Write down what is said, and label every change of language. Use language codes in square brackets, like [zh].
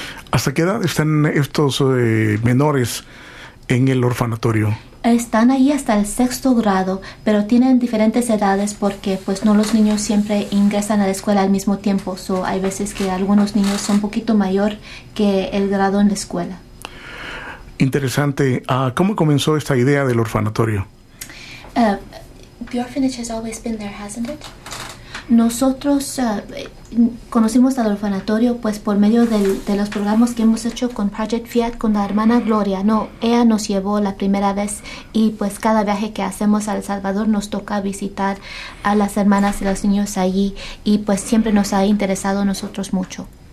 [es] ¿Hasta qué edad están estos menores en el orfanatorio? Están ahí hasta el sexto grado, pero tienen diferentes edades porque pues no los niños siempre ingresan a la escuela al mismo tiempo. So, hay veces que algunos niños son un poquito mayor que el grado en la escuela. Interesante. ¿Cómo comenzó esta idea del orfanatorio? [en] The orphanage has always been there, hasn't it? [es] Nosotros conocimos al orfanatorio pues por medio de los programas que hemos hecho con Project Fiat, con la hermana Gloria. No, ella nos llevó la primera vez, y pues cada viaje que hacemos a El Salvador nos toca visitar a las hermanas y los niños allí, y pues siempre nos ha interesado a nosotros mucho.